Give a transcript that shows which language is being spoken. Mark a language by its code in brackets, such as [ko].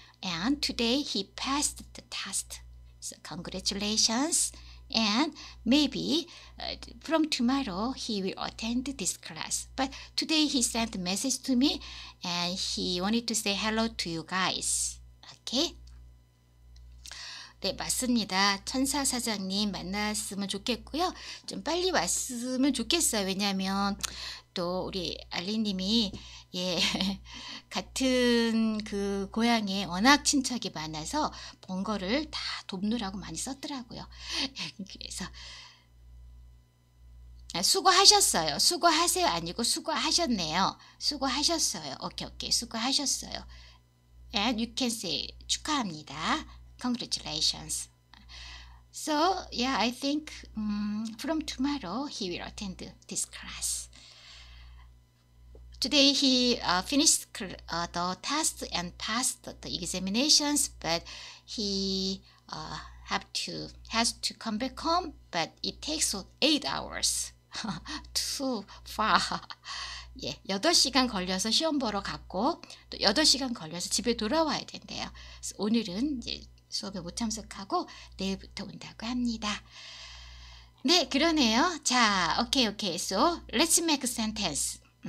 [en] And today he passed the test. So congratulations. And maybe from tomorrow he will attend this class. But today he sent a message to me and he wanted to say hello to you guys. [ko] Okay? 네, 맞습니다. 천사 사장님 만났으면 좋겠고요. 좀 빨리 왔으면 좋겠어요. 왜냐하면 또 우리 알리님이 예, 같은 그 고향에 워낙 친척이 많아서 본 거를 다 돕느라고 많이 썼더라고요. 그래서 수고하셨어요. 수고하세요 아니고 수고하셨네요. 수고하셨어요. 오케이, 오케이. 수고하셨어요. [en] And you can say [ko] 축하합니다. [en] Congratulations. So, yeah, I think from tomorrow he will attend this class. Today he finished the test and passed the examinations, but he has to come back home, but it takes 8 hours. Too far. [ko] 예, 8시간 걸려서 시험 보러 갔고 또 8시간 걸려서 집에 돌아와야 된대요. 오늘은 이제 수업에 못 참석하고 내일부터 온다고 합니다. 네, 그러네요. 자, 오케이, 오케이. [en] So, let's make a sentence.